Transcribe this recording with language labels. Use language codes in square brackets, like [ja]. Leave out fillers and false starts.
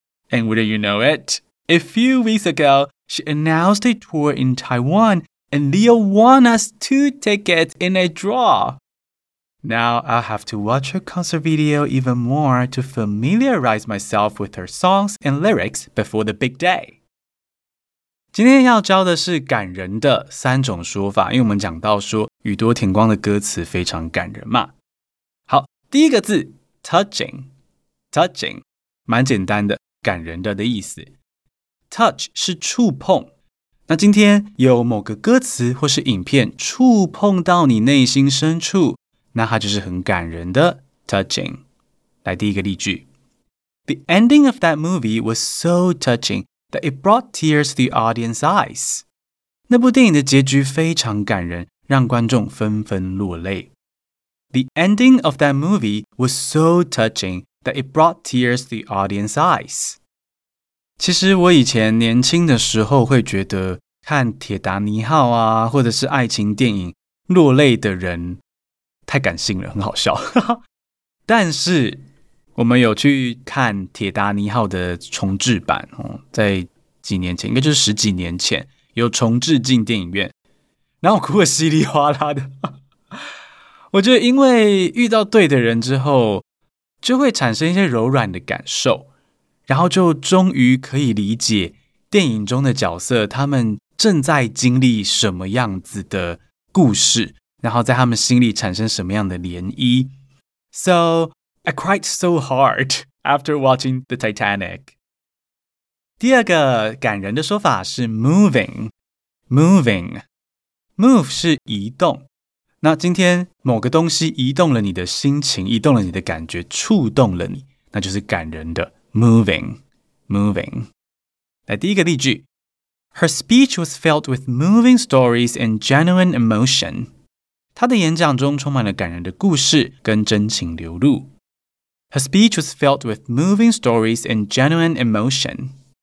[en] And wouldn't you know it, a few weeks ago, she announced a tour in Taiwan,And Leo won us 2 tickets in a draw. Now I'll have to watch her concert video even more to familiarize myself with her songs and lyrics before the big day. [zh] 今天要教的是感人的三种说法，因为我们讲到说宇多田光的歌词非常感人嘛。好，第一个字 touching, touching, 蛮简单的，感人的的意思。 Touch 是触碰。那今天有某个歌词或是影片触碰到你内心深处，那它就是很感人的 touching。来第一个例句。 [en] The ending of that movie was so touching that it brought tears to the audience's eyes. [zh] 那部电影的结局非常感人，让观众纷纷落泪。 [en] The ending of that movie was so touching that it brought tears to the audience's eyes. [zh] 其实我以前年轻的时候会觉得看铁达尼号啊，或者是爱情电影落泪的人太感性了，很好笑。但是我们有去看铁达尼号的重制版，在几年前，应该就是十几年前，有重制进电影院，然后哭得稀里哗啦的。我觉得因为遇到对的人之后，就会产生一些柔软的感受，然后就终于可以理解电影中的角色，他们正在经历什么样子的故事，然后在他们心里产生什么样的涟漪。 [en] So, I cried so hard after watching the Titanic. [zh] 第二个感人的说法是 moving, moving. Move 是移动。那今天某个东西移动了你的心情，移动了你的感觉，触动了你，那就是感人的 moving, moving. 来第一个例句。 [en] Her speech was filled with moving stories and genuine emotion. [zh] 她的演讲中充满了感人的故事跟真情流露。 [en] Her speech was filled with moving stories and genuine emotion.